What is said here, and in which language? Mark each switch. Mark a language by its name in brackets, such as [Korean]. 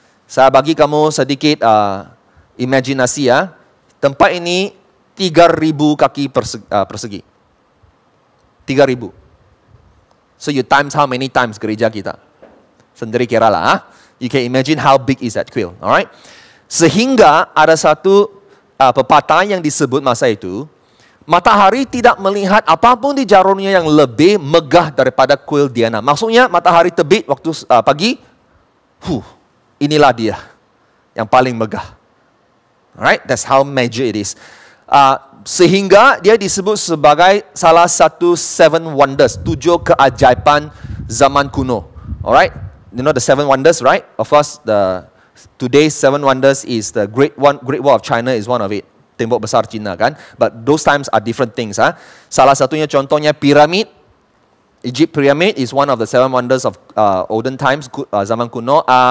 [Malay] Saya bagi kamu sedikit imajinasi. Tempat ini 3,000 kaki persegi. 3,000. [English] So you times how many times gereja kita? Sendiri kira lah. You can imagine how big is that quill, alright? [Malay] Sehingga ada satu pepatah yang disebut masa itu, matahari tidak melihat apapun di jarumnya yang lebih megah daripada kuil Diana. Maksudnya matahari terbit waktu pagi, inilah dia yang paling megah. [English] Alright, that's how major it is. [Malay] Sehingga dia disebut sebagai salah satu seven wonders, tujuh keajaiban zaman kuno. [English] Alright? You know the seven wonders, right? Of course, the today's seven wonders is the Great Wall of China is one of it. Tembok besar China, kan? But those times are different things. Salah satunya contohnya piramid. Egypt pyramid is one of the seven wonders of olden times, zaman kuno.